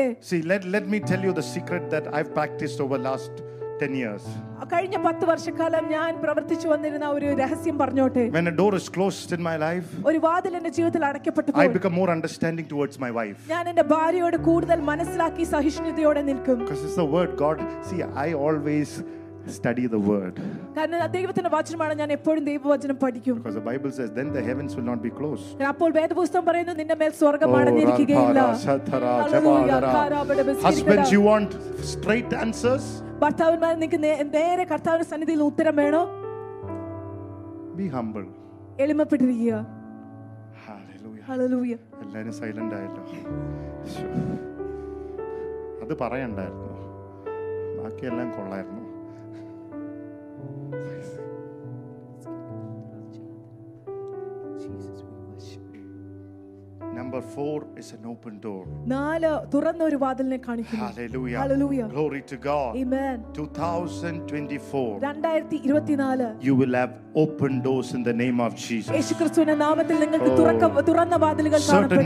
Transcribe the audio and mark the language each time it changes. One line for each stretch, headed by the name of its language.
English: See, let me tell you the secret that I've practiced over last 10 years.
Malayalam: കഴിഞ്ഞ 10 വർഷക്കാലം ഞാൻ പ്രവർത്തിച്ചു വന്നിരുന്ന ഒരു രഹസ്യം പറഞ്ഞോട്ടെ.
English: When a door is closed in my life,
Malayalam: ഒരു വാതിൽ എന്റെ ജീവിതത്തിൽ അടയ്ക്കപ്പെട്ടപ്പോൾ,
English: I become more understanding towards my wife.
Malayalam: ഞാൻ എന്റെ ഭാര്യയോട് കൂടുതൽ മനസ്സിലാക്കി സഹിഷ്ണുതയോടെ നിൽക്കും.
English: Because it's the word God. See, I always study the word.
Malayalam: കാരണം ദൈവത്തിന്റെ വചനമാണ് ഞാൻ എപ്പോഴും ദൈവവചനം പഠിക്കും.
English: Because the Bible says then the heavens will not be closed.
Malayalam: ഞാൻ അപ്പോൾ വേദപുസ്തകം പറയുന്നു നിന്റെ മേൽ സ്വർഗ്ഗം അടഞ്ഞിരിക്കുകയില്ല.
English: Husbands, you want straight answers?
Malayalam: ഭർത്താവിന്മാരെ നിങ്ങൾക്ക് നേരെ കർത്താവിന്റെ സന്നിധിയിൽ ഉത്തരം വേണോ?
English: Be humble.
Malayalam: എളിമപ്പെട്ടിരിക്കുക.
English: Hallelujah. Hallelujah.
Malayalam: എല്ലാവരും സൈലന്റ് ആയല്ലോ. അത് പറയണ്ടായിരുന്നു. ബാക്കിയെല്ലാം കൊള്ളായിരുന്നു.
English: Number 4 is an open door.
Malayalam: നാലു തുറന്ന ഒരു വാതിലിനെ കാണിക്കുന്നു.
English: Hallelujah. Hallelujah. Glory to God. Amen. 2024. You will have open doors in the name of Jesus.
Malayalam: യേശുക്രിസ്തുവിന്റെ നാമത്തിൽ നിങ്ങൾക്ക് തുറന്ന വാതിലുകൾ കാണപ്പെടും.